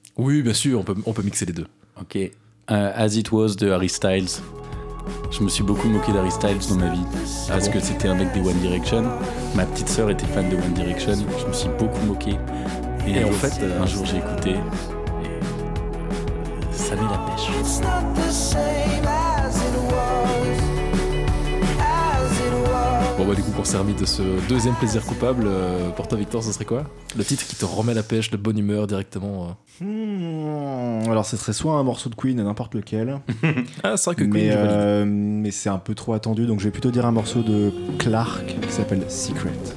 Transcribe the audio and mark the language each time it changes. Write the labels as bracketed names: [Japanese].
[French] Oui, bien sûr, on peut mixer les deux. Ok. As It Was de Harry Styles. Je me suis beaucoup moqué d'Harry Styles dans ma vie. Parce que c'était un mec des One Direction. Ma petite sœur était fan de One Direction. Je me suis beaucoup moqué. Et en fait, un jour j'ai écouté... Ça met la pêche. [English] It's not the same as it was. As it was. [French] Bon bah du coup, pour servir de ce deuxième plaisir coupable, pour toi Victor, ce serait quoi? Le titre qui te remet la pêche, de bonne humeur directement Alors ce serait soit un morceau de Queen, n'importe lequel. Ah c'est vrai que Queen, mais c'est un peu trop attendu, donc je vais plutôt dire un morceau de Clark qui s'appelle Secret.